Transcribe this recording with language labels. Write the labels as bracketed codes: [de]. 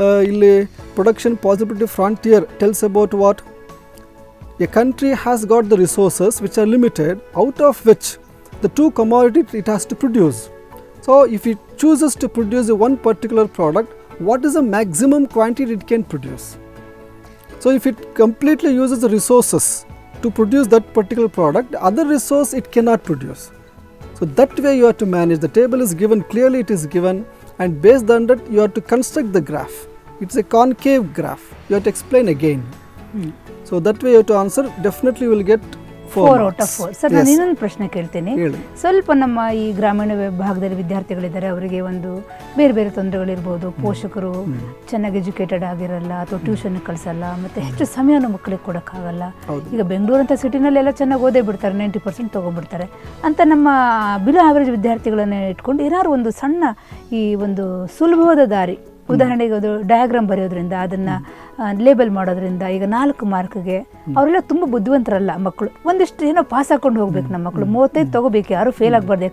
[en] ಇಲ್ಲಿ production possibility frontier tells about what a country has got the resources which are limited out of which the 2 commodities it has to produce. So if it chooses to produce a 1 particular product, what is a maximum quantity it can produce. So if it completely uses resources to produce that particular product, other resource it cannot produce. So that way you have to manage. The table is given, clearly it is given, and based on that you have to construct the graph. It's a concave graph. You have to explain again. So that way you have to answer, definitely you will get 4 out of 4. [kn] Sir, ನಾನು ಇನ್ನೊಂದು ಪ್ರಶ್ನೆ ಕೇಳ್ತೇನೆ. ಸ್ವಲ್ಪ ನಮ್ಮ ಈ ಗ್ರಾಮೀಣ ವಿಭಾಗದಲ್ಲಿ ವಿದ್ಯಾರ್ಥಿಗಳಿದ್ದಾರೆ, ಅವರಿಗೆ ಒಂದು ಬೇರೆ ಬೇರೆ ತೊಂದರೆಗಳಿರ್ಬೋದು. ಪೋಷಕರು ಚೆನ್ನಾಗಿ ಎಜುಕೇಟೆಡ್ ಆಗಿರಲ್ಲ, ಅಥವಾ ಟ್ಯೂಷನ್ ಕಳಿಸಲ್ಲ, ಮತ್ತೆ ಹೆಚ್ಚು ಸಮಯವನ್ನು ಮಕ್ಕಳಿಗೆ ಕೊಡೋಕ್ಕಾಗಲ್ಲ. ಈಗ ಬೆಂಗಳೂರು ಅಂತ ಸಿಟಿನಲ್ಲೆಲ್ಲ ಚೆನ್ನಾಗಿ ಓದೇ ಬಿಡ್ತಾರೆ, 90% ತೊಗೊಂಡ್ಬಿಡ್ತಾರೆ ಅಂತ ನಮ್ಮ ಬಿಲೋ ಆವರೇಜ್ ವಿದ್ಯಾರ್ಥಿಗಳನ್ನ ಇಟ್ಕೊಂಡು ಏನಾದ್ರು ಒಂದು ಸಣ್ಣ ಈ ಒಂದು ಸುಲಭವಾದ ದಾರಿ, ಉದಾಹರಣೆಗೆ ಅದು ಡಯಾಗ್ರಾಮ್ ಬರೆಯೋದ್ರಿಂದ, ಅದನ್ನ ಲೇಬಲ್ ಮಾಡೋದ್ರಿಂದ, ಈಗ 4 marks ಅವರೆಲ್ಲ ತುಂಬಾ ಬುದ್ಧಿವಂತರಲ್ಲ ಮಕ್ಕಳು, ಒಂದಿಷ್ಟು ಏನೋ ಪಾಸ್ ಹಾಕೊಂಡು ಹೋಗ್ಬೇಕು ನಮ್ಮ ಮಕ್ಕಳು, 35 ತಗೋಬೇಕು, ಯಾರು ಫೇಲ್ ಆಗಬಾರ್ದು.